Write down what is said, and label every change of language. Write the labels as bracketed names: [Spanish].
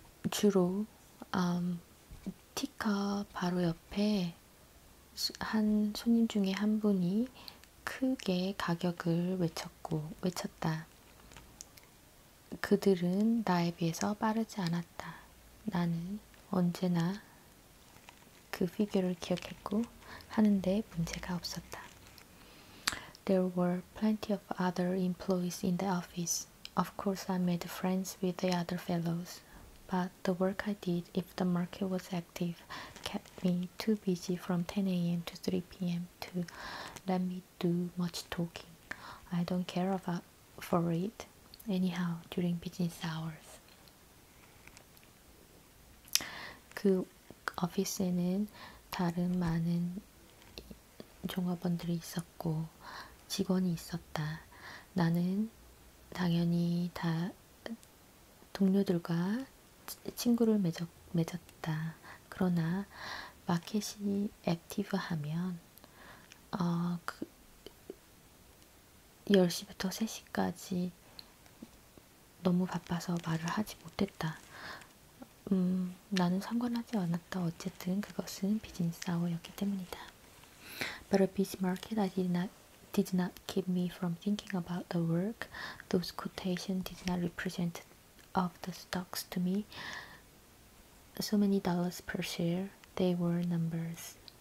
[Korean] 주로 티커 바로 옆에 한 손님 중에 한 분이 크게 가격을 외쳤다. 그들은 나에 비해서 빠르지 않았다. 나는 언제나 그 피규어를 기억했고 하는데 문제가 없었다. [English] There were plenty of other employees in the office. Of course, I made friends with the other fellows, but the work I did, if the market was active, kept me too busy from 10 a.m. to 3 p.m. to let me do much talking. I don't care about for it anyhow during business hours. [Korean] 그 오피스에는 다른 많은 종업원들이 있었고 직원이 있었다. 나는 당연히 다 동료들과 친구를 맺었다. 그러나 마켓이 액티브하면 10시부터 3시까지 너무 바빠서 말을 하지 못했다. 나는 상관하지 않았다. 어쨌든 그것은 비즈니스 아워였기 때문이다. [English] But a busy market did not keep me from thinking about the work. Those quotations did not represent of the stocks to me. So many dollars per share, they were numbers.